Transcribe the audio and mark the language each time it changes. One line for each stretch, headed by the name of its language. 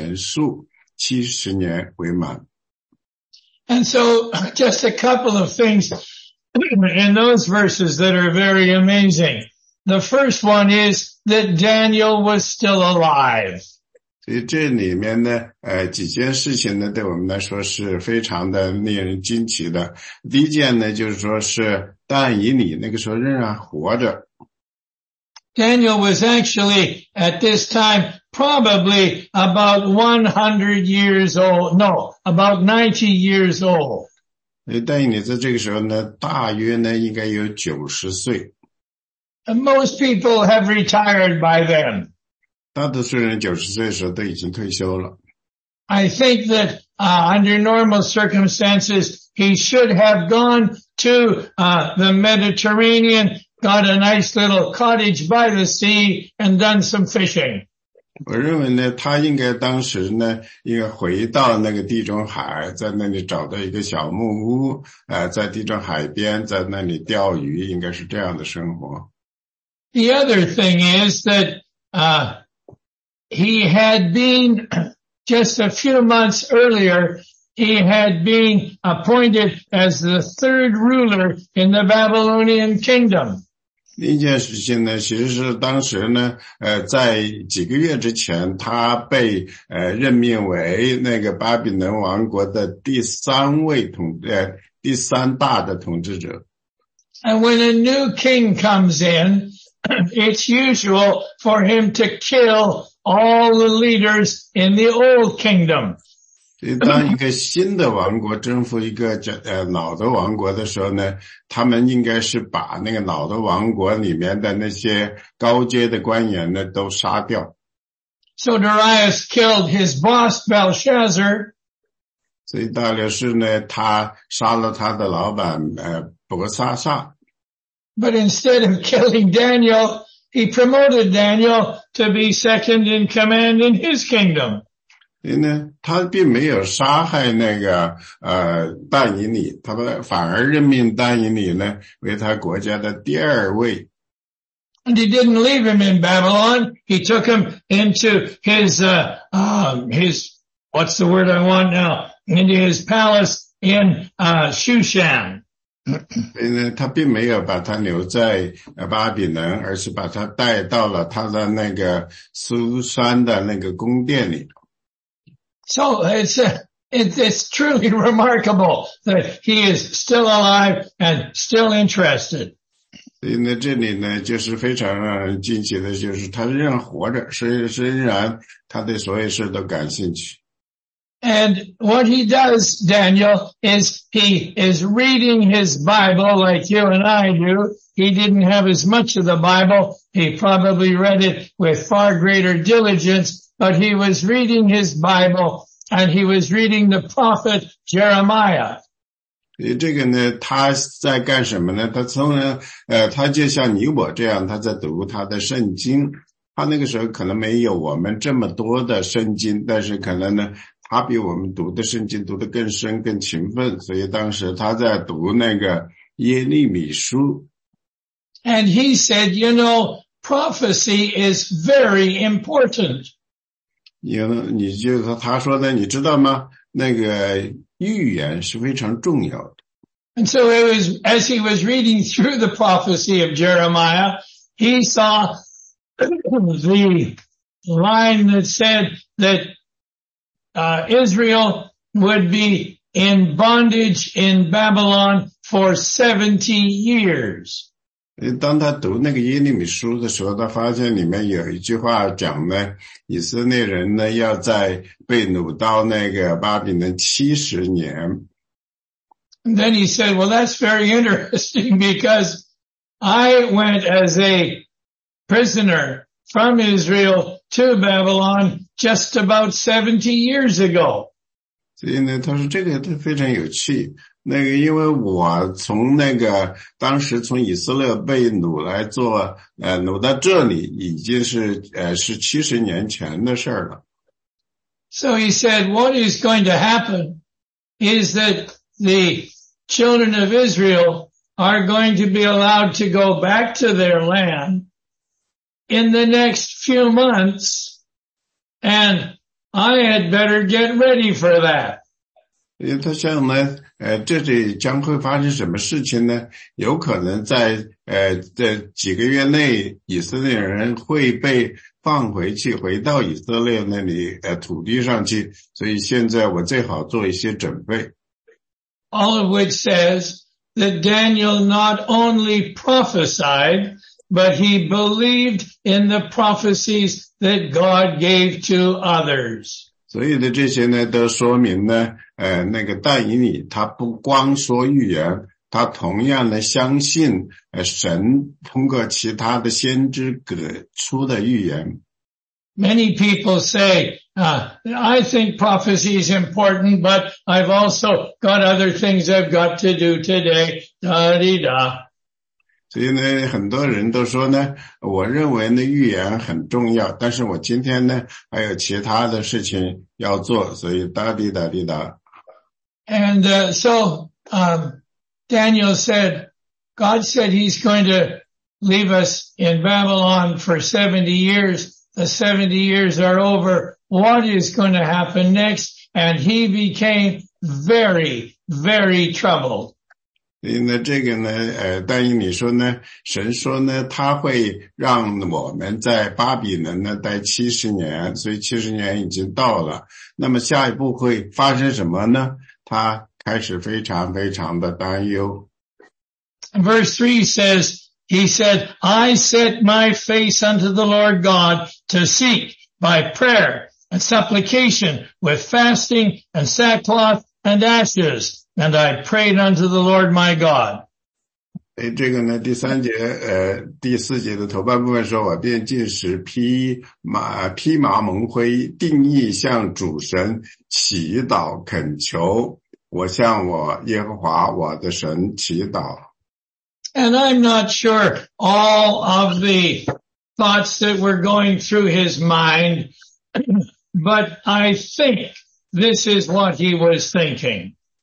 Chinese: 这个呢，他刚才读的第一节和第二节，但以理书第一节说呢，第9章第一节说马代所亚哈随鲁的儿子大流士立为加勒底国的王元年，就是他作为第一年我但以理从书上得知耶和华的话，临到先知耶利米嫩耶路撒冷荒凉的年数70年为满。
English: And so just a couple of things in those verses that are very amazing. The first one is that Daniel was still alive.
Chinese: 所以这里面的几件事情呢，对我们来说是非常的令人惊奇的。第一件呢，就是说是但以理那个时候仍然活着。Daniel
English: was actually at this time probably about 100 years old. No, about 90 years old.
Chinese: 但你在这个时候呢，大约呢应该有90岁。
English: And most people have retired by then.
Chinese: 大多数人90岁的时候都已经退休了。
English: I think that under normal circumstances, he should have gone to the Mediterranean got a nice little cottage by the sea and done some fishing.
Chinese: 我认为呢，他应该当时呢，应该回到那个地中海，在那里找到一个小木屋，在地中海边，在那里钓鱼，应该是这样的生活。
English: The other thing is that, he had been, just a few months earlier, he had been appointed as the third ruler in the Babylonian kingdom.
Chinese: 另一件事情呢，其实是当时呢，在几个月之前，他被任命为那个巴比伦王国的第三位统第三大的统治者。
English: And when a new king comes in, it's usual for him to kill all the leaders in the old kingdom.
Chinese: 当一个新的王国征服一个老的王国的时候呢，他们应该是把那个老的王国里面的那些高阶的官员呢都杀掉。
English: So Darius killed his boss Belshazzar.
Chinese: 所以大略是呢，他杀了他的老板伯沙撒。
English: But instead of killing Daniel, he promoted Daniel to be second in command in his kingdom.
Chinese: 所以呢，他并没有杀害那个但以理，他反而任命但以理呢为他国家的第二位。
English: And he didn't leave him in Babylon. He took him into his into his palace in Shushan.
Chinese: 所以呢，他并没有把他留在巴比伦，而是把他带到了他的那个苏珊的那个宫殿里。
English: So it's truly remarkable that he is still alive and still interested.
Chinese: 所以呢，这里呢就是非常让人惊奇的，就是他仍然活着，虽然他对所有事都感兴趣。
English: And what he does, Daniel, is he is reading his Bible like you and I do. He didn't have as much of the Bible. He probably read it with far greater diligence, but he was reading his Bible and he was reading the prophet Jeremiah.
Chinese: 这个呢，他在干什么呢？他从呢，他就像你我这样，他在读他的圣经。他那个时候可能没有我们这么多的圣经，但是可能呢，他比我们读的圣经读得更深更勤奋，所以当时他在读那个耶利米书。
English: And he said, you know, prophecy is very important. You know,
Chinese: 你就说他说的你知道吗？那个预言是非常重要的。
English: And so it was, as he was reading through the prophecy of Jeremiah, he saw the line that said thatIsrael would be in bondage in Babylon for 70 years.
Chinese: 当他读那个耶利米书的时候，他发现里面有一句话讲呢，以色列人呢要在被掳到那个巴比伦70年。
English: And then he said, well, that's very interesting because I went as a prisoner from Israel to Babylon just about 70 years ago.
Chinese: 所以呢，他说这个非常有趣。那个，因为我从那个当时从以色列被掳来做，掳到这里，已经是70年前的事了。
English: So he said, what is going to happen is that the children of Israel are going to be allowed to go back to their land. In the next few months, and I had better get ready for that.
Chinese: 他想呢，这里将会发生什么事情呢？有可能在几个月内，以色列人会被放回去，回到以色列那里土地上去。所以现在我最好做一些准备。
English: All of which says that Daniel not only prophesied,But he believed in the prophecies that God gave to others.
Chinese: 所以的这些呢都说明呢那个但以理他不光说预言，他同样呢相信神通过其他的先知给出的预言。
English: Many people say, I think prophecy is important, but I've also got other things I've got to do today, da-di-da.
Chinese: 所以呢，很多人都说呢，我认为呢预言很重要，但是我今天呢还有其他的事情要做，所以哒滴哒滴哒。
English: And so, Daniel said, God said he's going to leave us in Babylon for 70 years. The 70 years are over. What is going to happen next? And he became very, very troubled.
Chinese: 所以呢，这个呢，但以你说呢，神说呢，他会让我们在巴比伦呢待70年，所以70年已经到了。那么下一步会发生什么呢？他开始非常非常的担忧。
English: Verse 3 says, He said, I set my face unto the Lord God to seek by prayer and supplication with fasting and sackcloth and ashes. And I prayed unto the Lord my God.
Chinese: 这个呢第三节第四节的头半部分说我便进食披麻蒙灰定义向主神祈祷恳求我向我耶和华我的神祈祷。
English: And I'm not sure all of the thoughts that were going through his mind, but I think this is what he was thinking.